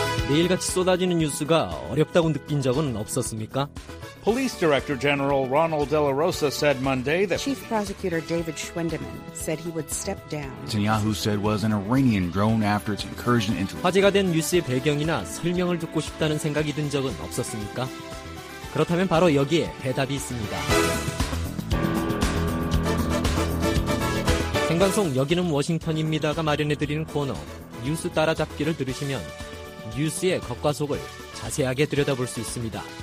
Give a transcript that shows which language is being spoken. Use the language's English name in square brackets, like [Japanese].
[Korean] 매일같이 쏟아지는 뉴스가 어렵다고 느낀 적은 없었습니까? [English] Police Director General Ronald De La Rosa said Monday that Chief Prosecutor David Schwendeman said he would step down. Netanyahu said was an Iranian drone after its incursion into [Korean] 화제가 된 뉴스의 배경이나 설명을 듣고 싶다는 생각이 든 적은 없었습니까? 그렇다면 바로 여기에 대답이 있습니다. 생방송 여기는 워싱턴입니다가 마련해드리는 코너 뉴스 따라잡기를 들으시면 뉴스의 겉과 속을 자세하게 들여다볼 수 있습니다.